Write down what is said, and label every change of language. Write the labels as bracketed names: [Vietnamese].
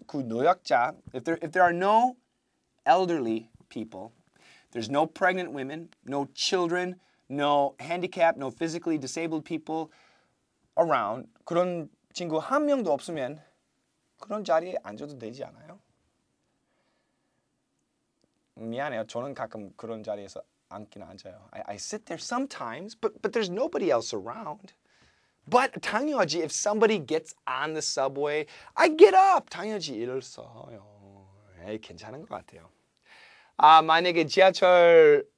[Korean] 그 노약자, [English] if there are no elderly people, there's no pregnant women, no children, no handicapped, no physically disabled people around, [Korean] 그런 친구 한 명도 없으면 그런 자리에 앉아도 되지 않아요? 미안해요. 저는 가끔 그런 자리에서 앉긴 앉아요. [English] I sit there sometimes, but there's nobody else around. But [Korean] 당연하지, [English] if somebody gets on the subway, I get up. [Korean] 당연하지, 일을 써요. 에이, 괜찮은 것 같아요. 아, 만약에 지하철